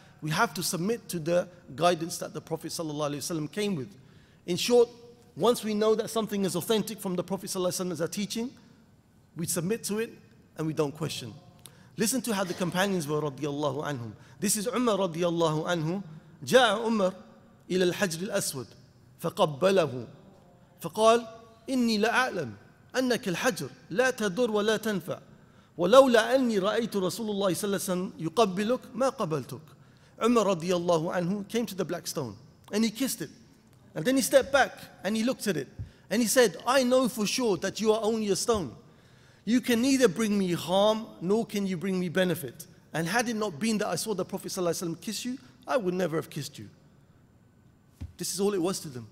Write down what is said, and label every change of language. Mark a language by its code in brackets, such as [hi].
[en] We have to submit to the guidance that the Prophet ﷺ came with. In short, once we know that something is authentic from the Prophet ﷺ as a teaching, we submit to it and we don't question. Listen to how the companions were radiallahu anhum. This is Umar radiallahu anhu. [ar] جَاءَ Umar إِلَى الْحَجْرِ الْأَسْوَدِ فَقَبَّلَهُ فقال إني لأعلم أنك الحجر لا تضر ولا تنفع ولولا أني رأيت رسول الله صلى الله عليه وسلم يقبلك ما قبلتك. [en] Umar radiallahu anhu came to the black stone and he kissed it, and then he stepped back and he looked at it and he said, I know for sure that you are only a stone. You can neither bring me harm nor can you bring me benefit. And had it not been that I saw the Prophet ﷺ kiss you, I would never have kissed you. This is all it was to them.